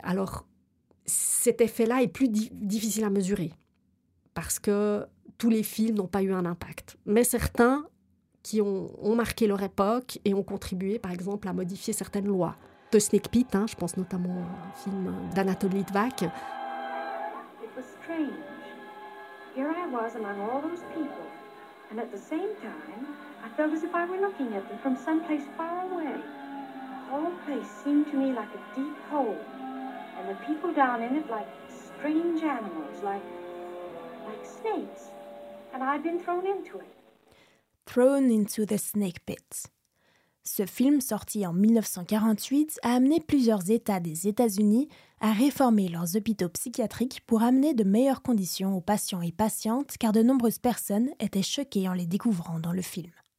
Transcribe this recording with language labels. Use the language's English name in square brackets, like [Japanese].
[French] Alors, cet effet-là est plus difficile à mesurer parce que tous les films n'ont pas eu un impact. Mais certains qui ont marqué leur époque et ont contribué, par exemple, à modifier certaines lois. The Snake Pit, hein, je pense notamment à un film d'Anatoly Litvak. [English] It was strange. Here I was among all those people. And at the same time, I felt as if I were looking at them from some place far away. The whole place seemed to me like a deep hole, and the people down in it like strange animals, like snakes, and I'd been thrown into it. Thrown into the snake pit. [French] Ce film, sorti en 1948, a amené plusieurs États des États-Unis à réformer leurs hôpitaux psychiatriques pour amener de meilleures conditions aux patients et patientes, car de nombreuses personnes étaient choquées en les découvrant dans le film.